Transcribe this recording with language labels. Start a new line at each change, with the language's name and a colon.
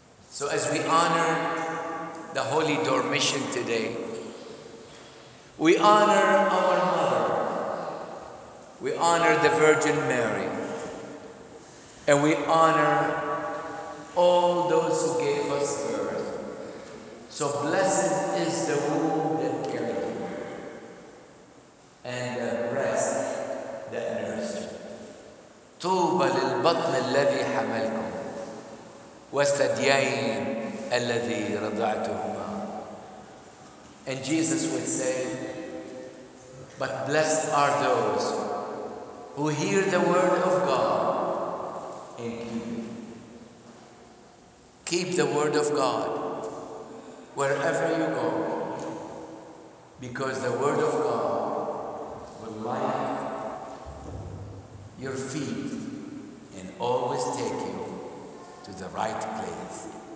English: So as we honor the Holy Dormition today, we honor our mother, we honor the Virgin Mary, and we honor all those who gave us birth. So blessed is the womb that carried you, and the breast that nursed you.
Arabic: طوبى للبطن الذي حملكم والثديين الذي رضعتهما.
English: And Jesus would say, but blessed are those who hear the word of God and keep it. Keep the word of God wherever you go, because the word of God will light your feet and always take you to the right place.